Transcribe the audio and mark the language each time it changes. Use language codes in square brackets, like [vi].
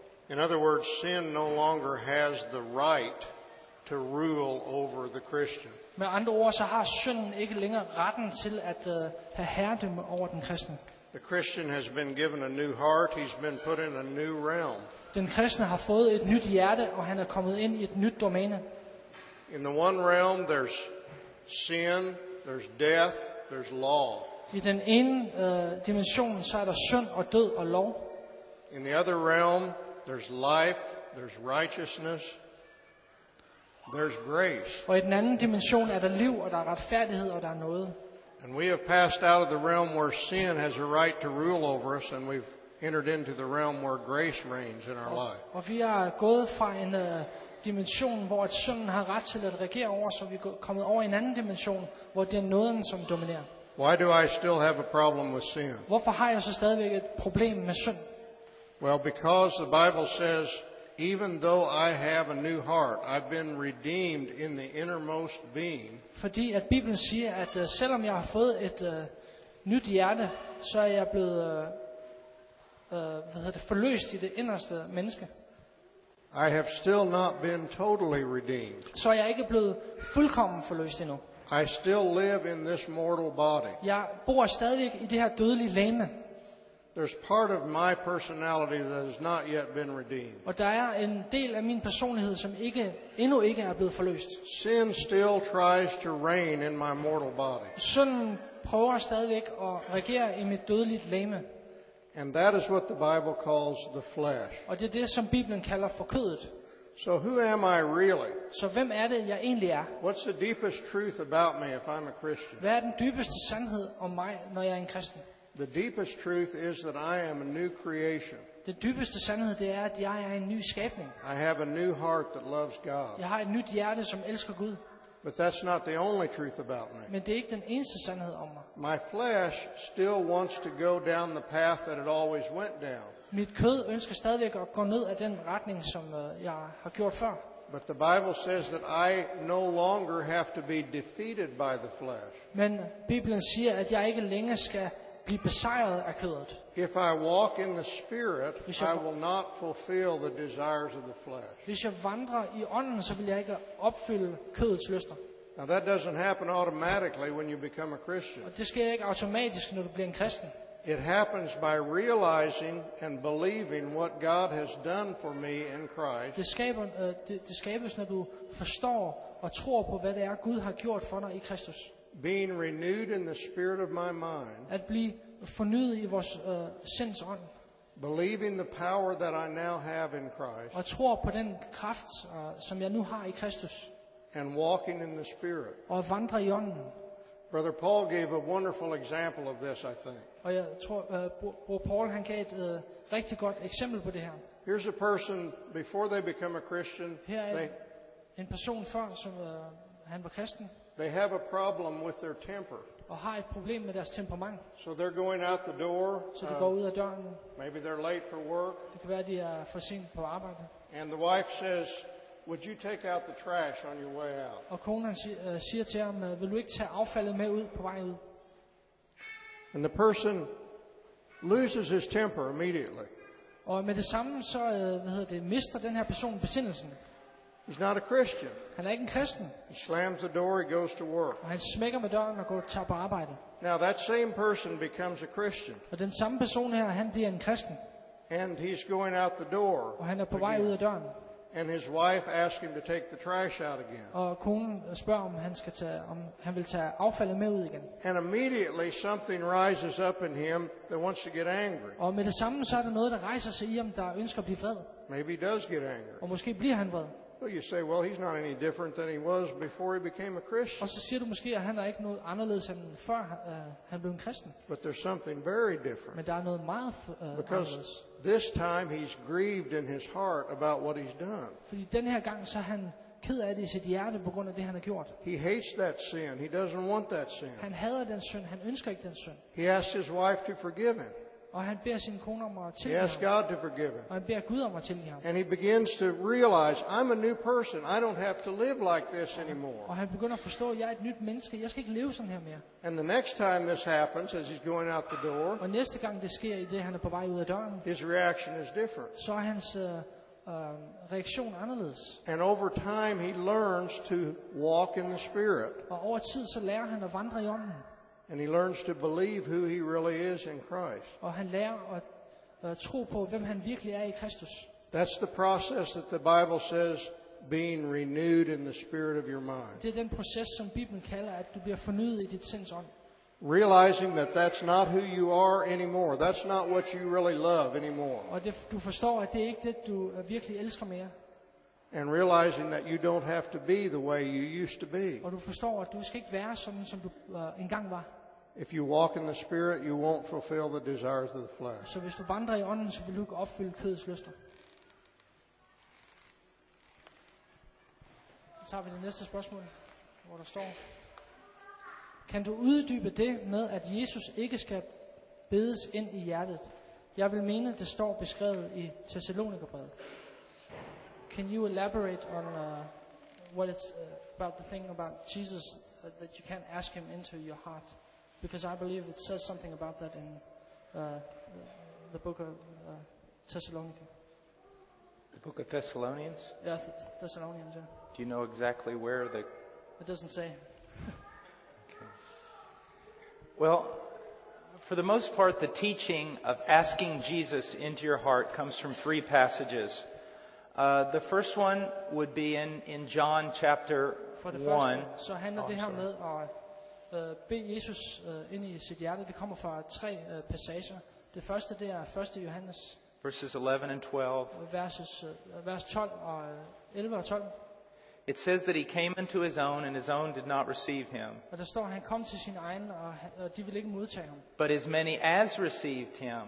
[en] In other words, sin no longer has the right to rule over the Christian. [da] Med andre ord, så har synden ikke længere retten til at have herredømme over den kristne. [en] The Christian has been given a new heart. He's been put in a new realm. [da] Den kristne har fået et nyt hjerte, og han er kommet ind i et nyt domæne. [en] In the one realm, there's sin, there's death. There's law. [da] I den ene dimension så er der synd og død og lov. [en] In the other realm there's life, there's righteousness, there's grace. [da] Og i den anden dimension er der liv og der er retfærdighed og der er nåde. [en] And we have passed out of the realm where sin has a right to rule over us, and we've entered into the realm where grace reigns in our life. [da] Og vi er gået fra en dimension, hvor at synden har ret til at regere over, så vi er kommet over en anden dimension, hvor det er nåden, som dominerer. [en] Why do I still have a problem with sin? [da] Hvorfor har jeg så stadigvæk et problem med synd? [en] Well, because the Bible says, even though I have a new heart, I've been redeemed in the innermost being. [da] Fordi at Bibelen siger, at selvom jeg har fået et nyt hjerte, så er jeg blevet forløst i det inderste menneske. [en] I have still not been totally redeemed. [da] Så jeg er ikke blevet fuldkommen forløst endnu. [en] I still live in this mortal body. [da] Jeg bor stadig i det her dødelige legeme. [en] There's part of my personality that has not yet been redeemed. [da] Og der er en del af min personlighed, som endnu ikke er blevet forløst. [en] Sin still tries to reign in my mortal body. [da] Synden prøver stadig at regere i mit dødelige legeme. [en] And that is what the Bible calls the flesh. [da] Og det er det, som Bibelen kalder for kødet. [en] So who am I really? [da] Så hvem er det, jeg egentlig er? [en] What's the deepest truth about me if I'm a Christian? [da] Hvad er den dybeste sandhed om mig, når jeg er en kristen? [en] The deepest truth is that I am a new creation. [da] Det dybeste sandhed det er, at jeg er en ny skabning. [en] I have a new heart that loves God. [da] Jeg har et nyt hjerte, som elsker Gud. [en] But that's not the only truth about me. [da] Men det er ikke den eneste sandhed om mig. [en] My flesh still wants to go down the path that it always went down. [da] Mit kød ønsker stadigvæk at gå ned af den retning, som jeg har gjort før. [en] But the Bible says that I no longer have to be defeated by the flesh. [da] Men Bibelen siger, at jeg ikke længere skal blive besejret af kødet. [en] If I walk in the spirit, I will not fulfill the desires of the flesh. [da] Hvis jeg vandrer i ånden, så vil jeg ikke opfylde kødets lyster. [en] Now that doesn't happen automatically when you become a Christian. [da] Og det sker ikke automatisk, når du bliver en kristen. [en] It happens by realizing and believing what God has done for me in Christ. [da] Det skabes, når du forstår og tror på, hvad det er, Gud har gjort for dig i Kristus. [en] Being renewed in the spirit of my mind. [da] At blive fornyet i vores sinds ånd. [en] Believing the power that I now have in Christ. [da] Og tror på den kraft, som jeg nu har i Kristus. [en] And walking in the spirit. [da] Og vandre i ånden. [en] Brother Paul gave a wonderful example of this, I think. [da] Og jeg tror, Bror Paul han gav et rigtig godt eksempel på det her. [en] Here's a person before they become a Christian. [da] Her er en person før, som han var kristen. [en] They have a problem with their temper. [da] Og har et problem med deres temperament. [en] So they're going out the door. [da] Så de går ud af døren. [en] Maybe they're late for work. [da] Det kan være de er for sent på arbejde. [en] And the wife says, "Would you take out the trash on your way out?" [da] Og konen siger til ham, "Vil du ikke tage affaldet med ud på vej ud?" [en] And the person loses his temper immediately. [da] Og med det samme så, mister den her person besindelsen. [en] He's not a Christian. [da] Han er ikke en kristen. [en] He slams the door, he goes to work. [da] Og han smækker med døren og går til på arbejde. [en] Now that same person becomes a Christian. [da] Og den samme person her, han bliver en kristen. [en] And he's going out the door. [da] Og han er på vej ud af døren. [en] And his wife asks him to take the trash out again. [da] Og konen spørger om han skal tage om han vil tage affaldet med ud igen. [en] And immediately something rises up in him that wants to get angry. [da] Og med det samme så er der noget der rejser sig i ham der ønsker at blive vred. [en] Maybe he does get angry. [da] Og måske bliver han vred. [en] Well, you say, well, he's not any different than he was before he became a Christian. [da] Og så siger du måske, at han er ikke noget anderledes end før han blev en kristen. [en] But there's something very different. [da] Men der er noget meget [en] because [da] anderledes. [en] Because this time he's grieved in his heart about what he's done. [da] Fordi den her gang så han ked af det i sit hjerte på grund af det han har gjort. [en] He hates that sin. He doesn't want that sin. [da] Han hader den synd. Han ønsker ikke den synd. [en] He asks his wife to forgive him. [da] Og han beder sin kone om at tilgive ham. [en] He asks God to forgive him. [da] Og han beder Gud om at tilgive ham. [en] And he begins to realize, I'm a new person. I don't have to live like this anymore. [da] Og han begynder at forstå, at jeg er et nyt menneske. Jeg skal ikke leve sådan her mere. [en] And the next time this happens, as he's going out the door, [da] og næste gang det sker, i det han er på vej ud af døren, [en] his reaction is different. [da] Så er hans reaktion anderledes. [en] And over time he learns to walk in the Spirit. [da] Og over tid så lærer han at vandre i ånden. [en] And he learns to believe who he really is in Christ. [da] Og han lærer at tro på hvem han virkelig er i Kristus. [en] That's the process that the Bible says being renewed in the spirit of your mind. [da] Det er den proces som Bibelen kalder at du bliver fornyet i dit sinds ånd. [en] Realizing that that's not who you are anymore. That's not what you really love anymore. [da] Og det, du forstår at det er ikke det du virkelig elsker mere. [en] And realizing that you don't have to be the way you used to be. [da] Og du forstår, at du skal ikke være sådan som du engang var. [en] If you walk in the Spirit, you won't fulfill the desires of the flesh. [da] Så hvis du vandrer i ånden, så vil du ikke opfylde kødets lyster. Så tager vi det næste spørgsmål, hvor der står: Kan du uddybe det med, at Jesus ikke skal bedes ind i hjertet? Jeg vil mene, det står beskrevet i Thessalonikerbrevet. [en] Can you elaborate on what it's about the thing about Jesus that you can't ask him into your heart? Because I believe it says something about that in the book of Thessalonians. The book of Thessalonians? Yeah, Thessalonians, yeah. Do you know exactly where the... It doesn't say. Okay. Well, for the most part, the teaching of asking Jesus into your heart comes from three passages. The first one would be in John chapter 1. [da] Så handler det her med at bede Jesus ind i sit hjerte. Det kommer fra tre passager. Det første det er 1. Johannes. [en] Verses 11 and 12. [da] Vers 12 og 11 og 12. [en] It says that he came into his own and his own did not receive him. [da] Og der står han kom til sin egen og de ville ikke modtage ham. [en] But as many as received him.